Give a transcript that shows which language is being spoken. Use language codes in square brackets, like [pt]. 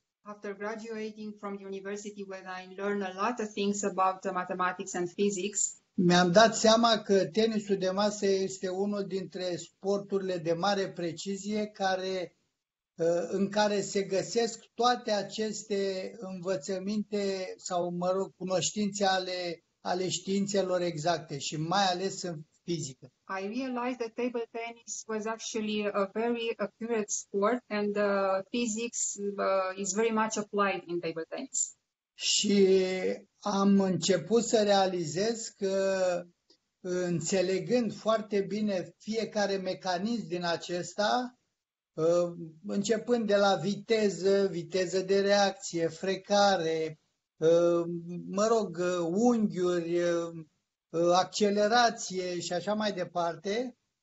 [en] after graduating from university, when I learned a lot of things about mathematics and physics, [ro] mi-am dat seama că tenisul de masă este unul dintre sporturile de mare precizie care, în care se găsesc toate aceste învățăminte sau, mă rog, cunoștințe ale științelor exacte și mai ales în fizică. [en] I realized that table tennis was actually a very accurate sport and physics is very much applied in table tennis. [ro] Și am început să realizez că înțelegând foarte bine fiecare mecanism din acesta, începând de la viteză de reacție, frecare, mă rog, unghiuri, accelerație și așa mai departe.